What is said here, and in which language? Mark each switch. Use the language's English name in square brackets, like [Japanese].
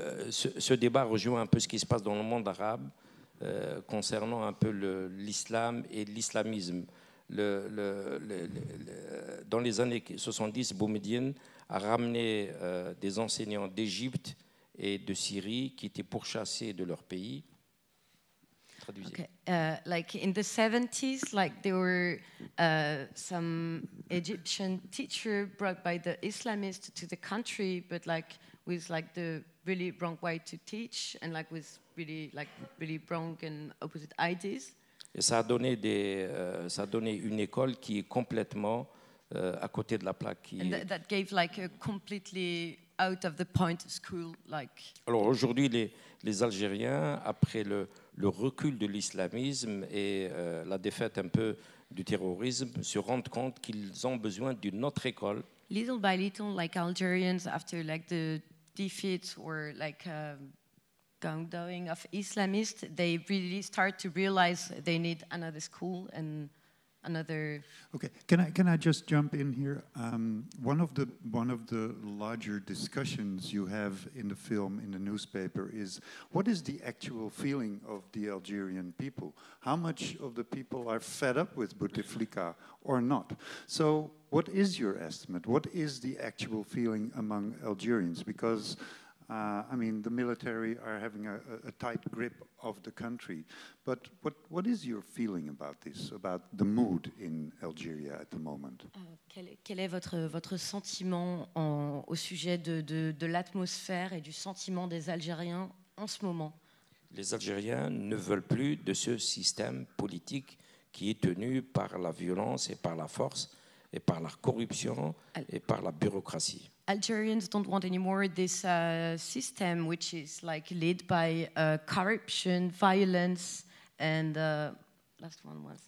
[French] Ce débat rejoint un peu ce qui se passe dans le monde arabe concernant un peu l'islam et l'islamisme. Dans les années 70, Boumediene a ramené des enseignants d'Égypte et de Syrie qui étaient pourchassés de leur pays. [English] Okay. Like in the 70s, like there were some Egyptian teacher brought by the Islamists to the country, but like with like the really wrong way to teach and like with really like really wrong and opposite ideas. [French] Et ça a donné une école qui est complètement à côté de la plaque. Qui [English] and that gave like a completely out of the point school like. [French] Alors aujourd'hui, les Algériens après le recul de l'islamisme et la défaite un peu du terrorisme se rendent compte qu'ils ont besoin d'une autre école. [English] Little by little, like Algerians after like the defeat or like going of Islamists, they really start to realize they need another school and another. Okay, can I just jump in here? One of the larger discussions you have in the film, in the newspaper, is what is the actual feeling of the Algerian people? How much of the people are fed up with Bouteflika or not? So what is your estimate? What is the actual feeling among Algerians? Because the military are having a tight grip of the country. But what is your feeling about this, about the mood in Algeria at the moment? [French] Quel est votre sentiment au sujet de l'atmosphère et du sentiment des Algériens en ce moment? Les Algériens ne veulent plus de ce système politique qui est tenu par la violence et par la force et par la corruption et par la bureaucratie. [English] Algerians don't want anymore this system which is like led by corruption, violence, and last one was